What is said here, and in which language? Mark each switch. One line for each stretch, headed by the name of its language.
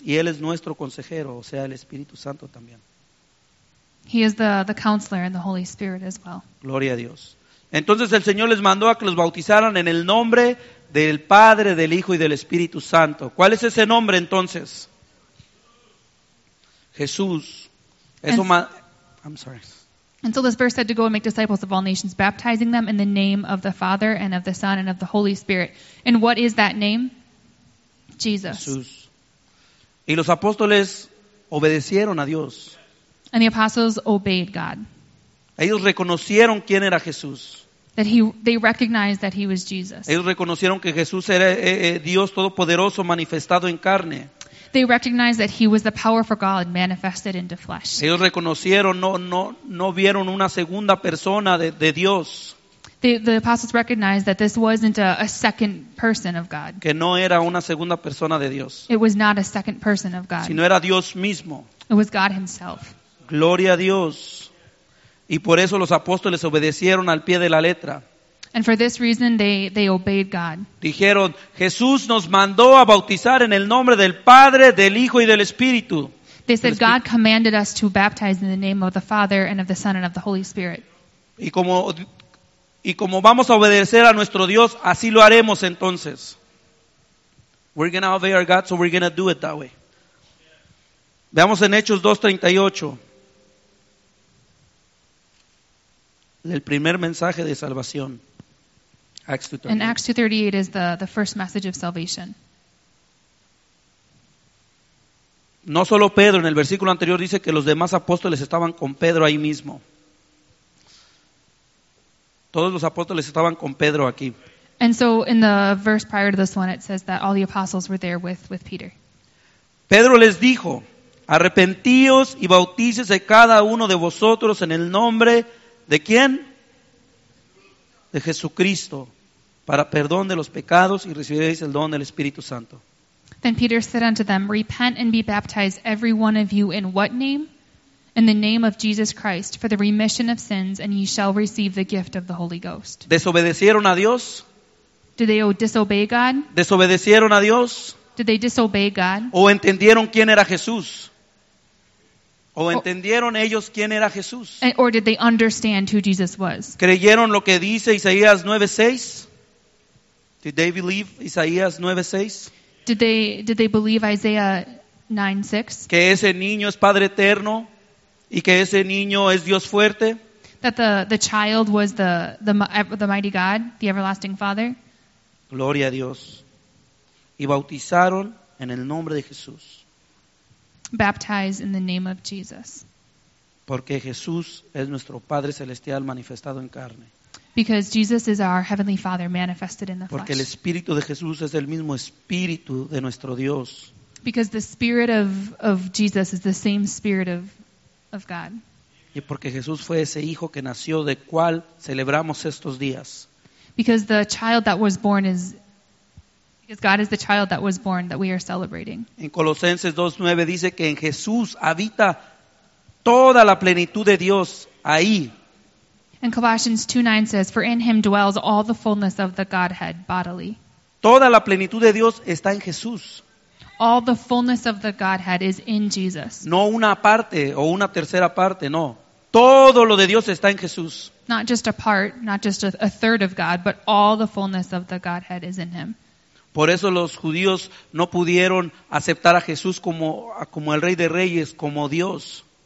Spanish: Y Él es nuestro consejero, o sea, el Espíritu Santo también.
English: He is the counselor and the Holy Spirit as well.
Spanish: Gloria a Dios. Entonces el Señor les mandó a que los bautizaran en el nombre del Padre, del Hijo y del Espíritu Santo. ¿Cuál es ese nombre entonces? Jesús.
English: And so this verse said to go and make disciples of all nations, baptizing them in the name of the Father and of the Son and of the Holy Spirit. And what is that name? Jesus.
Spanish: Jesús. Y los apóstoles obedecieron a Dios.
English: And the apostles obeyed God.
Spanish: Ellos reconocieron quién era Jesús.
English: They recognized that he was Jesus.
Spanish: Ellos reconocieron que Jesús era Dios Todopoderoso manifestado en carne.
English: They recognized that he was the powerful God manifested into flesh.
Spanish: Ellos reconocieron, no vieron una segunda persona de Dios.
English: The apostles recognized that this wasn't a second person of God.
Spanish: Que no era una segunda persona de Dios.
English: It was not a second person of God.
Spanish: Sino era Dios mismo.
English: It was God himself.
Spanish: Gloria a Dios. Y por eso los apóstoles obedecieron al pie de la letra.
English: And for this reason, they obeyed God.
Spanish: Dijeron, Jesús nos mandó a bautizar en el nombre del Padre, del Hijo y del Espíritu.
English: They said, God commanded us to baptize in the name of the Father and of the Son and of the Holy Spirit.
Spanish: Y como vamos a obedecer a nuestro Dios, así lo haremos entonces.
English: We're going to obey our God, so we're going to do it that way.
Spanish: Veamos en Hechos 2:38. El primer mensaje de salvación.
English: And Acts 2:38 is the first message of salvation.
Spanish: No solo Pedro, en el versículo anterior dice que los demás apóstoles estaban con Pedro ahí mismo. Todos los apóstoles estaban con Pedro aquí.
English: And so in the verse prior to this one it says that all the apostles were there with Peter.
Spanish: Pedro les dijo, arrepentíos y bautícese cada uno de vosotros en el nombre de ¿quién? De Jesucristo, para perdón de los pecados y recibiréis el don del Espíritu Santo.
English: Then Peter said unto them, repent and be baptized every one of you in what name? In the name of Jesus Christ, for the remission of sins, and ye shall receive the gift of the Holy Ghost.
Spanish: ¿Desobedecieron a Dios?
English: Did they disobey God?
Spanish: ¿Desobedecieron a Dios?
English: Did they disobey God?
Spanish: ¿O entendieron quién era Jesús? ¿O entendieron ellos quién era Jesús?
English: Or did they understand who Jesus was?
Spanish: ¿Creyeron lo que dice Isaías 9:6?
English: Did they believe Isaías 9:6? Did they believe Isaiah 9:6?
Spanish: Que ese niño es Padre Eterno y que ese niño es Dios fuerte.
English: That the child was the mighty God, the everlasting Father.
Spanish: Gloria a Dios. Y bautizaron en el nombre de Jesús.
English: Baptize in the name of Jesus.
Spanish: Porque Jesús es nuestro Padre Celestial manifestado en carne.
English: Because Jesus is our Heavenly Father manifested in the flesh.
Spanish: Porque el Espíritu de Jesús es el mismo Espíritu de nuestro Dios.
English: Because the Spirit of Jesus is the same Spirit of God.
Spanish: Y porque Jesús fue ese Hijo que nació de cual celebramos estos días.
English: Because the child that was born is... Because God is the child that was born that we are celebrating.
Spanish: En Colosenses 2:9 dice que en Jesús habita toda la plenitud de Dios ahí.
English: And Colossians 2:9 says, for in him dwells all the fullness of the Godhead bodily.
Spanish: Toda la plenitud de Dios está en Jesús.
English: All the fullness of the Godhead is in Jesus.
Spanish: No una parte o una tercera parte, no. Todo lo de Dios está en Jesús.
English: Not just a part, not just a third of God, but all the fullness of the Godhead is in him.
Spanish: Por eso los judíos no pudieron aceptar a Jesús como el Rey de Reyes, como Dios.